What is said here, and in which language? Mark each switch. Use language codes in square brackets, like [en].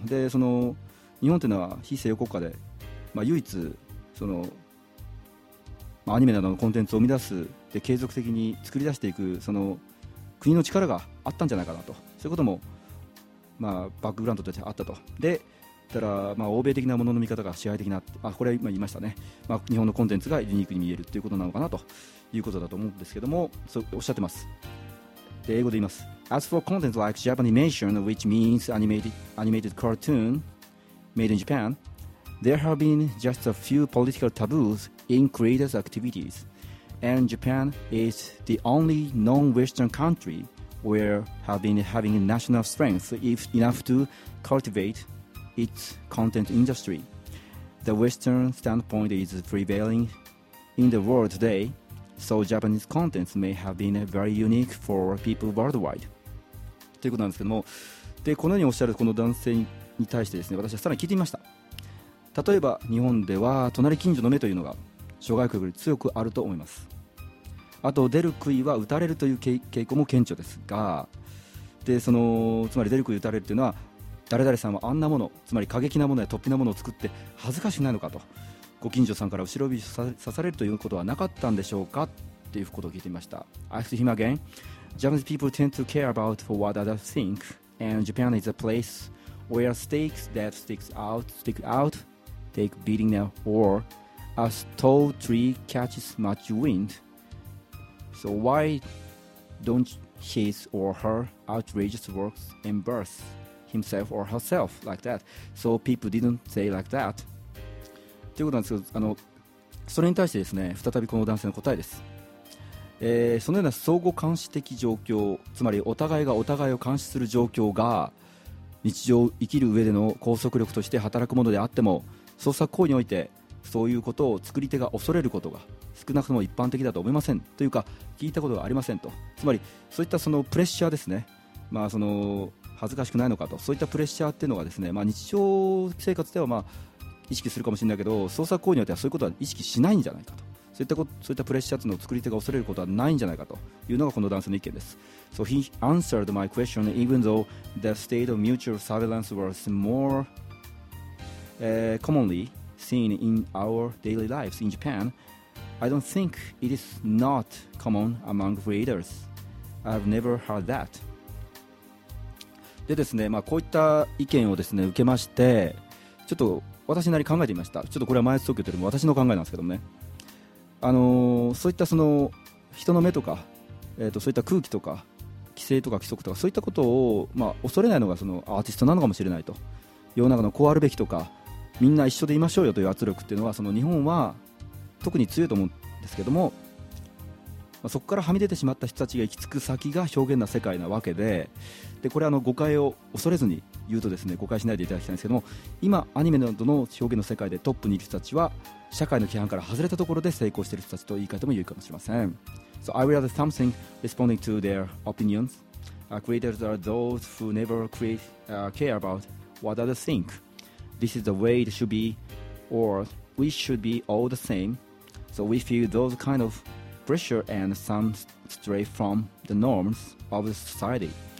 [ja] で、その日本というのは非西洋国家で、まあ、唯一その、まあ、アニメなどのコンテンツを生み出す、で継続的に作り出していくその国の力があったんじゃないかなと。そういうことも、まあ、バックグラウンドとしてあったと。で、たら、まあ、欧米的なものの見方が支配的な、あ、これは今言いましたね、まあ、日本のコンテンツがユニークに見えるということなのかなということだと思うんですけども、そうおっしゃってます。で、英語で言います。 [en] As for content like Japanimation, which means animated cartoon made in Japan, there have been just a few political taboos in creators' activities, and Japan is the only non-Western country where have been having national strength if enough to cultivateits content industry. The Western standpoint is prevailing in the world today, so Japanese contents may have been very unique for people worldwide. [ja] ということなんですけども、で、このようにおっしゃるこの男性に対してですね、私はさらに聞いてみました。例えば日本では隣近所の目というのが諸外国より強くあると思います。あと、出る杭は打たれるという傾向も顕著ですが、で、そのつまり出る杭打たれるというのは、誰々さんはあんなもの、つまり過激なものや突飛なものを作って恥ずかしくないのかと、ご近所さんから後ろ指さされるということはなかったんでしょうかということを聞いてみました。 [en] I asked him again, Japanese people tend to care about what others think, and Japan is a place where stakes that stick out take beating now, or a tall tree catches much wind, so why don't his or her outrageous works embarrassHimself or herself like that, so people didn't say like that. [ja] ということなんですけど、それに対してですね、再びこの男性の答えです、そのような相互監視的状況、つまりお互いがお互いを監視する状況が日常を生きる上での拘束力として働くものであっても、創作行為においてそういうことを作り手が恐れることが少なくとも一般的だと思いません、というか聞いたことがありませんと。つまりそういったそのプレッシャーですね、まあ、その恥ずかしくないのかと、そういったプレッシャーっていうのがですね、まあ、日常生活ではまあ意識するかもしれないけど、創作行為によってはそういうことは意識しないんじゃないかと、そういったプレッシャーっていうのを作り手が恐れることはないんじゃないかというのがこの男性の意見です。 [en] So he answered my question even though the state of mutual surveillance was more commonly seen in our daily lives in Japan, I don't think it is not common among readers. I've never heard that. [ja] でですね、まあ、こういった意見をですね受けまして、ちょっと私なり考えてみました。ちょっとこれは前説東京というよりも私の考えなんですけどね、そういったその人の目とか、そういった空気とか規制とか規則とかそういったことを、まあ、恐れないのがそのアーティストなのかもしれないと。世の中のこうあるべきとかみんな一緒でいましょうよという圧力っていうのはその日本は特に強いと思うんですけども、まあ、そこからはみ出てしまった人たちが行き着く先が表現な世界なわけ でこれはあの誤解を恐れずに言うとですね、誤解しないでいただきたいんですけども、今アニメなどの表現の世界でトップにいる人たちは社会の規範から外れたところで成功している人たちと言い換えても良いかもしれません。 [en] So I read something responding to their opinions. Creators are those who never care about what others think. This is the way it should be, or we should be all the same. So we feel those kind of pressure and some stray from the norms of the society.